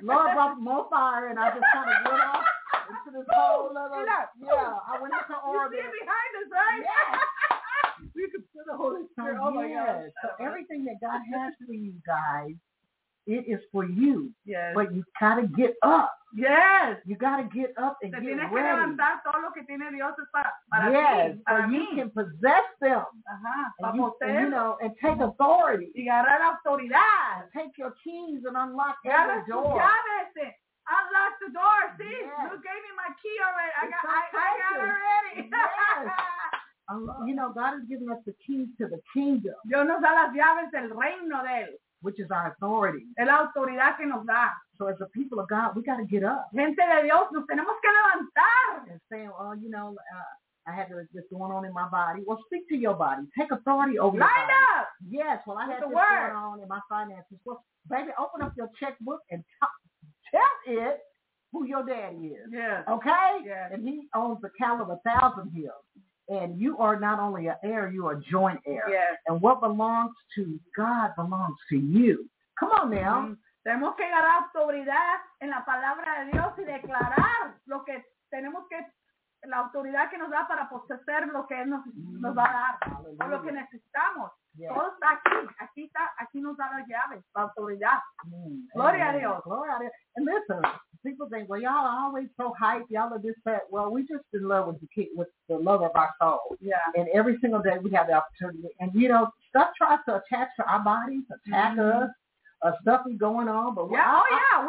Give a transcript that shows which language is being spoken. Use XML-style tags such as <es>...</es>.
<en>Lord brought more fire, and I just kind of went off into this whole level. Yeah, I went into orbit. You see it behind us, right? Yeah. You could see the Holy Spirit. Oh, yes. My gosh. So everything that God has for you guys, it is for you. Yes. But you've got to get up. Yes. You got to get up and</en> <es>te</es> <en>get ready.</en> <es>Que levantar todo lo que tiene Dios para</es> <en>yes.</en> <es>mí, para</es> <en>so</en> <es>mí.</es> <en>You can possess them. Uh-huh. And, you know, and take authority.</en> <es>Y agarrar autoridad.</es> <en>And take your keys and unlock every door. Llaves. Unlock the door. See? Yes. You gave me my key already. It's I got it ready. Yes. You know, God has given us the keys to the kingdom.</en> <es>Dios nos da las llaves del reino de él.</es> <en>Which is our authority.</en> <es>Es la autoridad que nos da.</es> <en>So as a people of God, we got to get up.</en> <es>Gente de Dios, nos tenemos que levantar.</es> <en>And say, well, you know, I had this going on in my body. Well, speak to your body. Take authority over line your body. Line up. Yes, well, I with had the this word. Going on in my finances. Well, baby, open up your checkbook and tell it who your daddy is. Yes. Okay? Yes. And he owns the cattle of 1,000 hills. And you are not only an heir, you are a joint heir. Yes. And what belongs to God belongs to you. Come on now.</en> <es>Tenemos que agarrar autoridad en la palabra de Dios y declarar lo que tenemos que, la autoridad que nos da para poseer lo que Él nos va a dar.</es> <en>Hallelujah.</en> <es>O lo que necesitamos.</es> <en>Yes.</en> <es>Todo está aquí. Aquí está, aquí nos da las llaves, la autoridad. Gloria a Dios. Gloria a Dios.</es> <en>And listen. People think, well, y'all are always so hyped. Y'all are this, that. Well, we just in love with the love of our soul. Yeah. And every single day we have the opportunity. And, you know, stuff tries to attach to our bodies, attack mm-hmm. us. Stuff is going on. But yeah. We're,</en>